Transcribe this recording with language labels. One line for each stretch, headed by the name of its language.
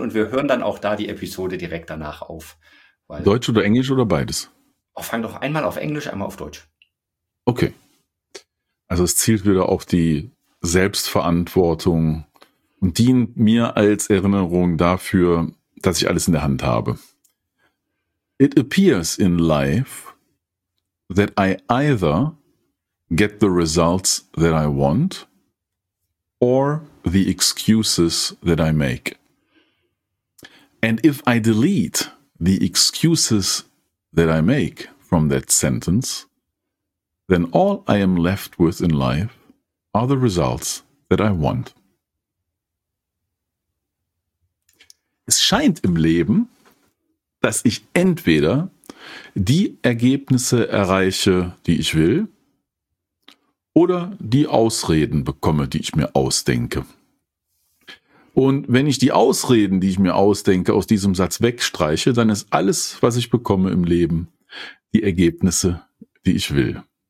German: Und wir hören dann auch da die Episode direkt danach auf. Weil Deutsch oder Englisch oder beides? Oh, fang doch einmal auf Englisch, einmal auf Deutsch. Okay. Also es zielt wieder auf die Selbstverantwortung und dient mir als Erinnerung dafür, dass ich alles in der Hand habe.
English: It appears in life that I either get the results that I want or the excuses that I make. And if I delete the excuses that I make from that sentence, then all I am left with in life are the results that I want.
German: Es scheint im Leben, dass ich entweder die Ergebnisse erreiche, die ich will, oder die Ausreden bekomme, die ich mir ausdenke. Und wenn ich die Ausreden, die ich mir ausdenke, aus diesem Satz wegstreiche, dann ist alles, was ich bekomme im Leben, die Ergebnisse, die ich will.